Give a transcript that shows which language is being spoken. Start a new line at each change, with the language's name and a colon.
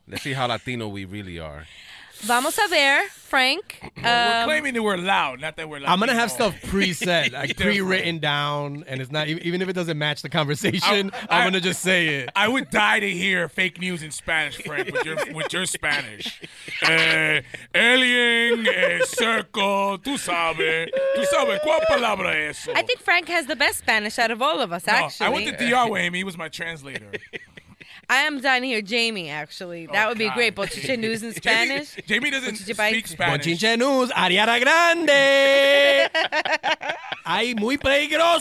English: Let's see how Latino we really are.
Spanish: Vamos a ver, Frank.
English: We're claiming that we're loud, not that we're loud. I'm going to have stuff pre-said, like pre-written down, and it's not even if it doesn't match the conversation, I'm going to just say it. I would die to hear fake news in Spanish, Frank, with your Spanish. Alien, circle,
Spanish: tú sabes, ¿cuál palabra es eso?
English: I think Frank has the best Spanish out of all of us, actually. I went to DR with him. He was my translator. I am dying to hear Jamie, actually. That would be great. Bochinche news in Spanish. Jamie doesn't speak Spanish. Bochinche news, Ariana Grande.
Spanish: Ay, muy peligroso.